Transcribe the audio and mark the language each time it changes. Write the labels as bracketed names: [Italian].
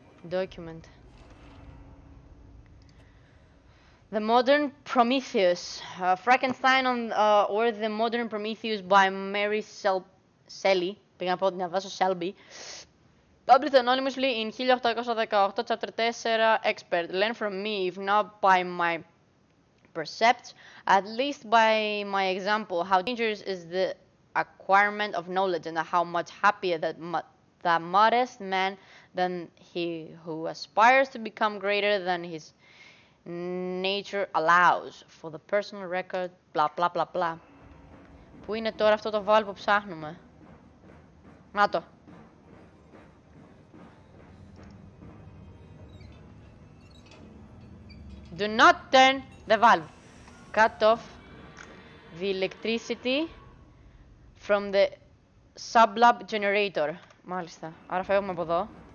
[English] Document. The Modern Prometheus. Frankenstein on or the Modern Prometheus by Mary Shelley. [Greek] Πήγα να πω ότι να βάσω Shelby. [English] Published anonymously in 1818, chapter 4, expert. Learn from me, if not by my precepts, at least by my example, how dangerous is the acquirement of knowledge and how much happier that modest man than he who aspires to become greater than his nature allows. For the personal record, blah blah blah blah. [Greek] Πού είναι τώρα αυτό το βάλ που ψάχνουμε? Να το. [English] Do not turn the valve. Cut off the electricity from the sublab generator. [Greek] Μάλιστα. Άρα φεύγουμε από εδώ.